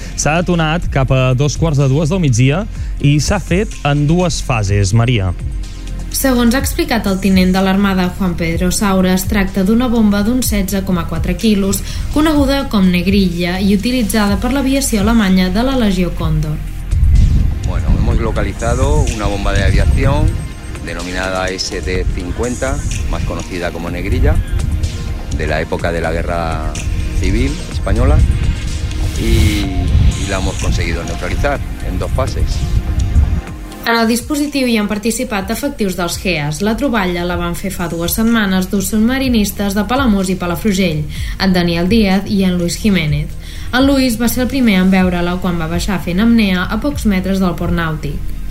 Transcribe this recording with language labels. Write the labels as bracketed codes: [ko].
[ca] S'ha detonat cap a 2:15 del migdia i s'ha fet en dues fases, Maria. Segons ha explicat el tinent de l'Armada, Juan Pedro Saura, es tracta d'una bomba d'uns 16,4 quilos, coneguda com Negrilla i utilitzada per l'aviació alemanya de la Legió Cóndor. [es] Bueno, hemos localizado una bomba de aviación denominada SD-50, más conocida como Negrilla, de la época de la Guerra Civil Española, y la hemos conseguido neutralizar en dos fases. [ca] En el dispositiu hi han participat efectius dels GEAS. La troballa la van fer fa dues setmanes dos submarinistes de Palamós i Palafrugell, en Daniel Díaz i en Luis Jiménez. En Luis va ser el primer en veure-la quan va baixar fent apnea a pocs metres del port nàutic.